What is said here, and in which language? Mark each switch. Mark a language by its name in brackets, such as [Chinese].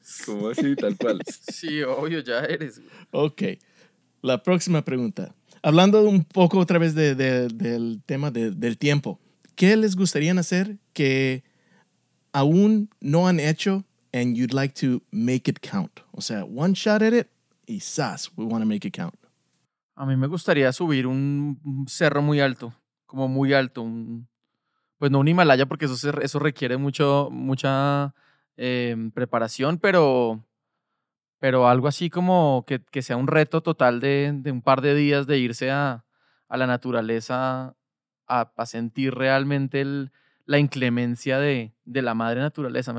[Spanish] ¿Cómo así? Tal cual. Sí, obvio, ya eres. Ok. La próxima pregunta. Hablando un poco otra vez del tema del tiempo, ¿qué les gustaría hacer que aún no han hecho, [English] and you'd like to make it count? [Spanish] O sea, [English] one shot at it, [Spanish] y sas, [English] we want to make it count. [Spanish] A mí me gustaría subir un cerro muy alto, como muy alto. Pues no un Himalaya, porque eso requiere mucha preparación, pero algo así como que sea un reto total de un par de días de irse a la naturaleza a sentir realmente la inclemencia de la madre naturaleza.